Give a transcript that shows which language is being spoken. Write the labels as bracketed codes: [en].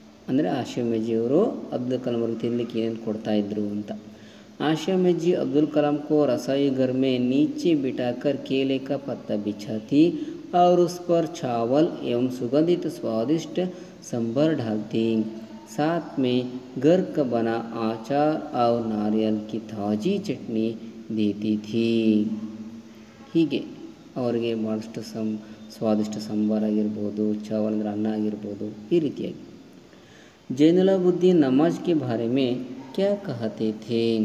[kn] ಅಂದರೆ ಆಶಿಯಮ್ಮಜಿಯವರು ಅಬ್ದುಲ್ ಕಲಾಂ ಅವ್ರಿಗೆ ತಿನ್ನಲಿಕ್ಕೆ ಏನೇನು ಕೊಡ್ತಾ ಇದ್ರು ಅಂತ. [hi] आशा में जी अब्दुल कलाम को रसोई घर में नीचे बिठाकर केले का पत्ता बिछाती और उस पर चावल एवं सुगंधित स्वादिष्ट सांभर डालती, साथ में घर का बना आचार और नारियल की ताजी चटनी देती थी. [kn] ಹೀಗೆ ಅವರಿಗೆ ಬಹಳಷ್ಟು ಸ್ವಾದಿಷ್ಟ ಸಾಂಬಾರ್ ಆಗಿರ್ಬೋದು, ಚಾವಲ್ ಅಂದರೆ ಅನ್ನ ಆಗಿರ್ಬೋದು. ಈ ರೀತಿಯಾಗಿ [hi] ಜೈನುಲಾಬುದ್ದೀನ್ ನಮಾಜ್ಗೆ ಬಾರೆ ಮೇ ಕ್ಯಾ ಕಹತೆ ಥೇ?